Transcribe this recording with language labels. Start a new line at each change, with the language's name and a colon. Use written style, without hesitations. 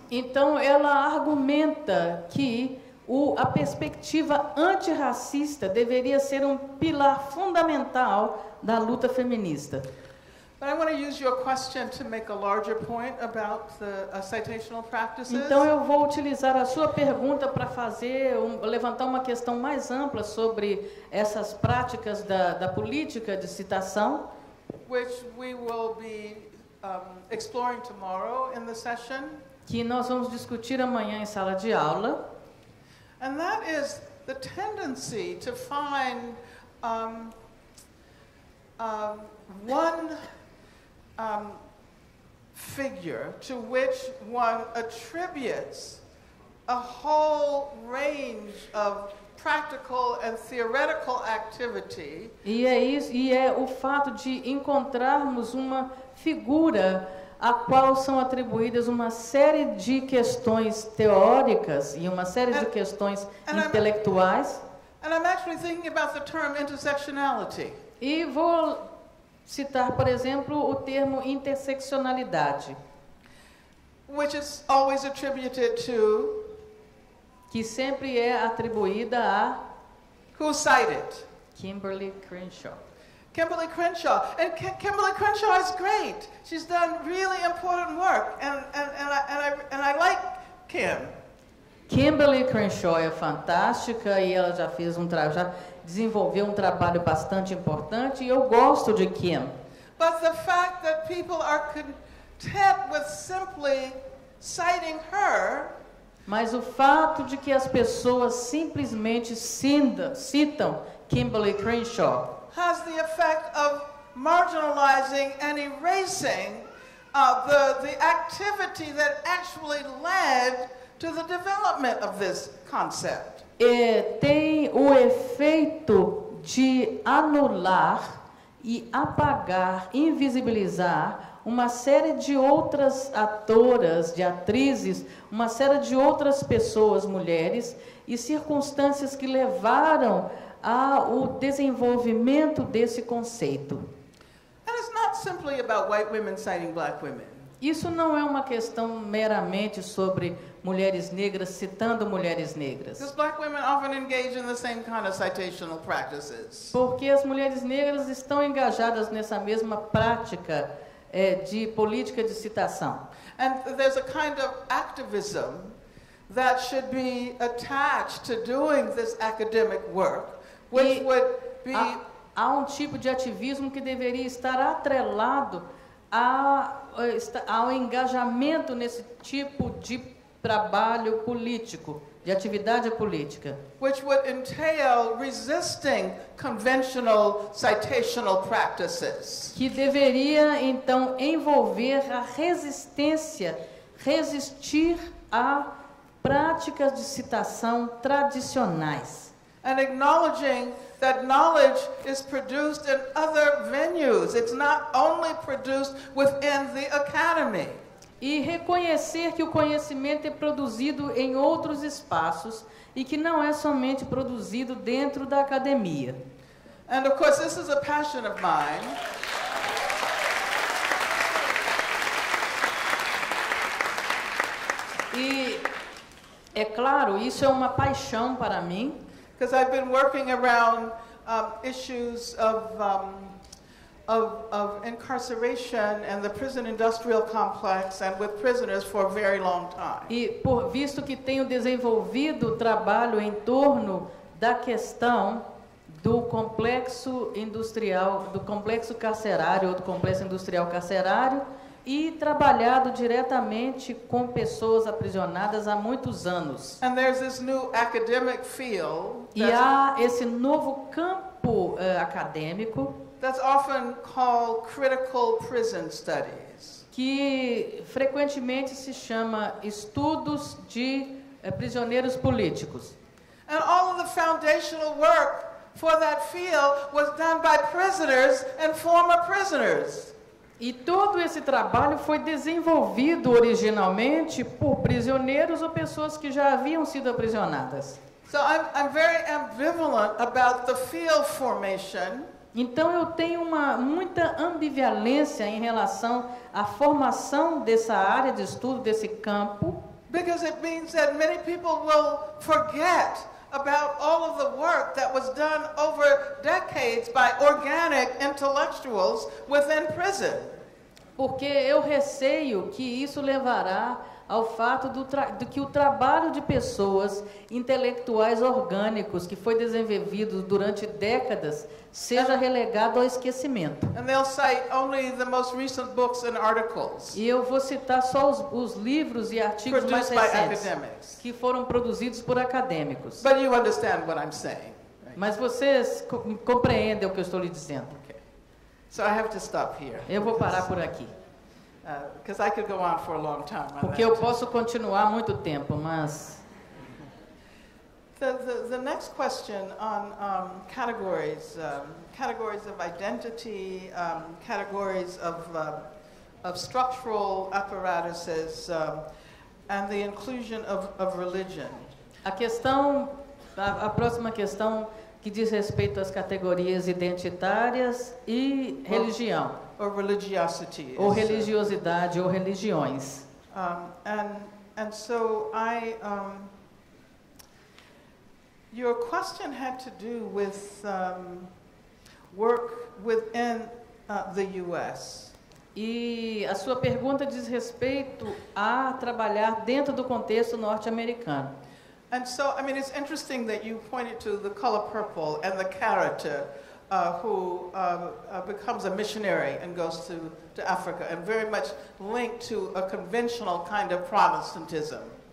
Portuguese: Então ela argumenta que a perspectiva antirracista deveria ser pilar fundamental da luta feminista.
English: But I want to use your question to make a larger point about the citational practices.
Portuguese: Então eu vou utilizar a sua pergunta para fazer levantar uma questão mais ampla sobre essas práticas da política de citação,
English: which we will be exploring tomorrow in the session.
Portuguese: Que nós vamos discutir amanhã em sala de aula.
English: And that is the tendency to find one figure to which one attributes a whole range of practical and theoretical activity.
Portuguese: E é isso, e é o fato de encontrarmos uma figura a qual são atribuídas uma série de questões teóricas e uma série de questões intelectuais.
English: And I'm actually thinking about the term intersectionality.
Portuguese: E vou citar, por exemplo, o termo interseccionalidade,
English: which is always attributed to,
Portuguese: que sempre é atribuída a,
English: who cited? Kimberly Crenshaw. Kimberly Crenshaw. And Kimberly Crenshaw is great. She's done really important work, and I like Kim.
Portuguese: Kimberly Crenshaw é fantástica e ela já fez já desenvolveu trabalho bastante importante e eu gosto de Kim.
English: But the fact that people are content with simply citing her.
Portuguese: Mas o fato de que as pessoas simplesmente citam Kimberly Crenshaw
English: has the effect of marginalizing and erasing the activity that actually led to the development of this concept.
Portuguese: E tem o efeito de anular e apagar, invisibilizar uma série de outras atoras, de atrizes, uma série de outras pessoas, mulheres, e circunstâncias que levaram ao desenvolvimento desse conceito.
English: And it's not simply about white women citing black women.
Portuguese: Isso não é uma questão meramente sobre mulheres negras citando mulheres negras.
English: Because black women often engage in the same kind of citational practices.
Portuguese: Porque as mulheres negras estão engajadas nessa mesma prática de política de citação.
English: And there's a kind of activism that should be attached to doing this academic work, which would be
Portuguese: há tipo de ativismo que deveria estar atrelado ao engajamento nesse tipo de trabalho político, de atividade política,
English: which would entail resisting conventional citational practices,
Portuguese: que deveria então envolver a resistir a práticas de citação tradicionais,
English: and acknowledging that knowledge is produced in other venues, it's not only produced within the academy.
Portuguese: E reconhecer que o conhecimento é produzido em outros espaços e que não é somente produzido dentro da academia.
English: And of course this is a passion of mine.
Portuguese: E é claro, isso é uma paixão para mim,
English: because I've been working around issues of incarceration and the prison industrial complex and with prisoners for a very long time.
Portuguese: E por visto que tenho desenvolvido trabalho em torno da questão do complexo industrial, do complexo carcerário, do complexo industrial carcerário, e trabalhado diretamente com pessoas aprisionadas há muitos anos.
English: And there's this new academic field.
Portuguese: E há esse novo campo acadêmico
English: that's often called critical prison studies,
Portuguese: que frequentemente se chama estudos de prisioneiros políticos.
English: And all of the foundational work for that field was done by prisoners and former prisoners.
Portuguese: E todo esse trabalho foi desenvolvido originalmente por prisioneiros ou pessoas que já haviam sido aprisionadas.
English: So I'm very ambivalent about the field formation.
Portuguese: Então, eu tenho uma muita ambivalência em relação à formação dessa área de estudo, desse campo.
English: Because it means that many people will forget about all of the work that was done over decades by organic intellectuals within prison.
Portuguese: Porque eu receio que isso levará ao fato de que o trabalho de pessoas intelectuais orgânicos que foi desenvolvido durante décadas seja relegado ao esquecimento.
English: And they'll cite only the most recent books and articles.
Portuguese: E eu vou citar só os livros e artigos mais recentes que foram produzidos por acadêmicos.
English: But you understand what I'm saying, right?
Portuguese: Mas vocês compreendem o que eu estou lhe dizendo.
English: So I have to stop here.
Portuguese: Eu vou parar por aqui.
English: Because I could go on for a long time.
Portuguese: Porque eu posso continuar muito tempo, mas
English: the next question on categories of identity, categories of structural apparatuses, and the inclusion of religion.
Portuguese: A próxima questão que diz respeito às categorias identitárias e religião.
English: Or religiosity.
Portuguese: Ou religiosidade ou religiões.
English: And so I your question had to do with work within the US.
Portuguese: E a sua pergunta diz respeito a trabalhar dentro do contexto norte-americano.
English: And so, I mean, it's interesting that you pointed to The Color Purple and the character who becomes a missionary and goes to Africa, and very much linked to a conventional kind of Protestantism.